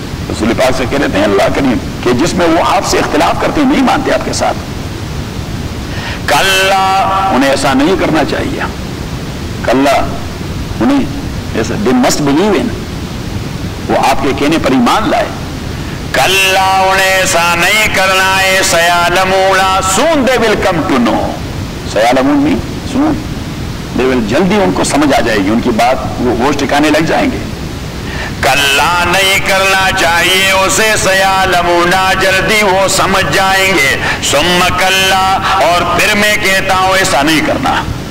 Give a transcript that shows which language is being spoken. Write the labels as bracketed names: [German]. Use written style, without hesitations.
[Urdu] رسول پاک سے کہتے ہیں اللہ کریم کہ جس میں وہ آپ سے اختلاف کرتے ہیں, نہیں مانتے آپ کے ساتھ. [Arabic] كَلَّا, [Urdu] انہیں ایسا نہیں کرنا چاہیے. كَلَّا, انہیں [English] they must believe in, [Urdu] وہ آپ کے کہنے پر ایمان لائے. کلا, انہیں ایسا نہیں کرنا ہے. [Arabic] سیعلمون, [English] soon they will come to know. [Urdu] سیعلمون میں [English] soon, they will, [Urdu] جلدی ان کو سمجھ آ جائے گی, ان کی بات وہ ہوش ٹھکانے لگ جائیں گے. کلا, نہیں کرنا چاہیے اسے. سیعلمون, جلدی وہ سمجھ جائیں گے. [Arabic] ثم کلا, [Urdu] اور پھر میں کہتا ہوں ایسا نہیں کرنا.